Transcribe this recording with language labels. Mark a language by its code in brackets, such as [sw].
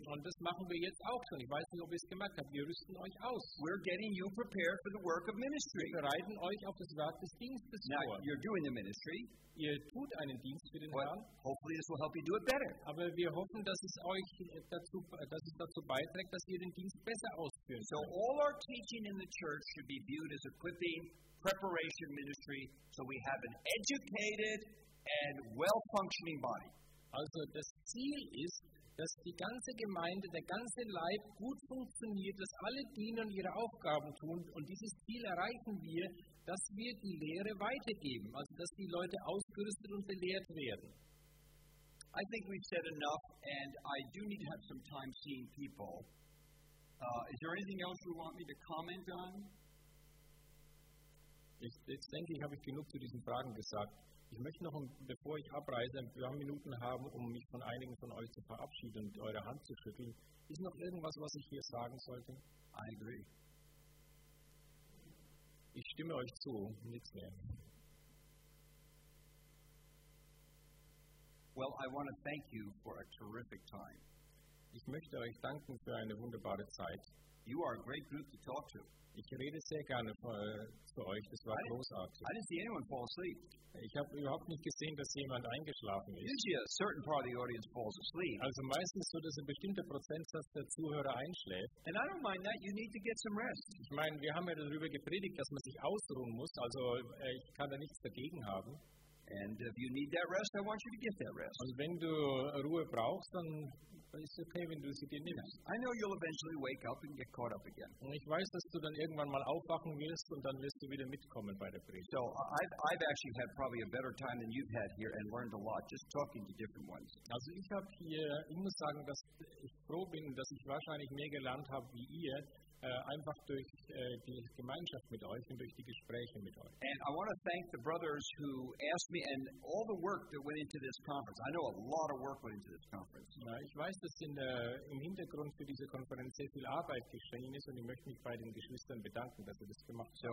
[de] Und das machen wir jetzt auch schon. Ich weiß nicht, ob ihr es gemerkt habt. Wir rüsten euch aus. [en] We're getting you prepared for the work of ministry. [de] Wir bereiten euch auf das Werk des Dienstes [en] now, [de] vor. [en] Now, you're doing the ministry. [de] Ihr tut einen Dienst für den [en] But [de] Herrn. [en] Hopefully this will help you do it better. [de] Aber wir hoffen, dass es dazu beiträgt, dass ihr den Dienst besser ausführen könnt. [en] So all our teaching in the church should be viewed as equipping, preparation ministry, so we have an educated and well-functioning body. [de] Also das Ziel ist, dass die ganze Gemeinde, der ganze Leib gut funktioniert, dass alle Diener ihre Aufgaben tun. Und dieses Ziel erreichen wir, dass wir die Lehre weitergeben, also dass die Leute ausgerüstet und belehrt werden. [en] I think we've said enough, and I do need to have some time seeing people. Is there anything else you want me to comment on? [de] Ich denke, ich habe genug zu diesen Fragen gesagt. Ich möchte noch, bevor ich abreise, ein paar Minuten haben, um mich von einigen von euch zu verabschieden und eure Hand zu schütteln. Ist noch irgendwas, was ich hier sagen sollte? [en] I agree. [de] Ich stimme euch zu, nichts mehr. [en] Well, I want to thank you for a terrific time. [de] Ich möchte euch danken für eine wunderbare Zeit. [en] You are a great group to talk to. [de] Ich rede sehr gerne zu euch, das war großartig. [en] I didn't see anyone fall asleep. [de] Ich habe überhaupt nicht gesehen, dass jemand eingeschlafen ist. [en] Usually a certain part of the audience falls asleep. [de] Also meistens so, dass ein bestimmter Prozentsatz der Zuhörer einschläft. [en] And I don't mind that, you need to get some rest. [de] Ich meine, wir haben ja darüber gepredigt, dass man sich ausruhen muss, also ich kann da nichts dagegen haben. [en] And if you need that rest, I want you to get that rest. [de] Und wenn du Ruhe brauchst, dann ist okay, wenn du sie dir nimmst. [en] I know you'll eventually wake up and get caught up again. [de] Und ich weiß, dass du dann irgendwann mal aufwachen wirst und dann wirst du wieder mitkommen bei der Predigt. [en] So, I've actually had probably a better time than you've had here and learned a lot just talking to different ones. [de] Also ich habe hier, ich muss sagen, dass ich froh bin, dass ich wahrscheinlich mehr gelernt habe wie ihr, einfach durch die Gemeinschaft mit euch und durch die Gespräche mit euch. [en] And I want to thank the brothers who asked me and all the work that went into this conference. I know a lot of work went into this conference. [de] Ja, ich weiß, dass im Hintergrund für diese Konferenz sehr viel Arbeit geschehen ist und ich möchte mich bei den Geschwistern bedanken, dass sie das gemacht haben.